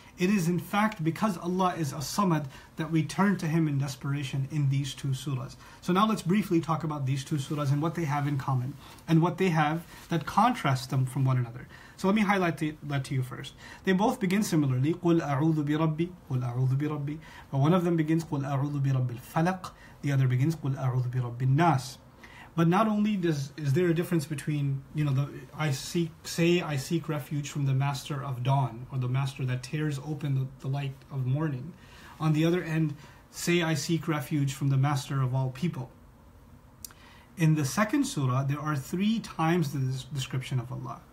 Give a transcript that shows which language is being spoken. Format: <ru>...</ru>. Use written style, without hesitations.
<en>It is in fact because Allah is As-Samad that we turn to Him in desperation in these two surahs. So now let's briefly talk about these two surahs and what they have in common and what they have that contrasts them from one another. So let me highlight that to you first. They both begin similarly.</en> <ar>قُلْ أَعُوذُ بِرَبِّي قُلْ أَعُوذُ بِرَبِّي.</ar> <en>But one of them begins</en> <ar>قُلْ أَعُوذُ بِرَبِّ الْفَلَقِ.</ar> <en>The other begins</en> <ar>قُلْ أَعُوذُ بِرَبِّ النَّاسِ.</ar> <en>But not only is there a difference between, you know, I seek refuge from the master of dawn, or the master that tears open the light of morning. On the other end, say I seek refuge from the master of all people. In the second surah, there are three times the description of Allah.</en>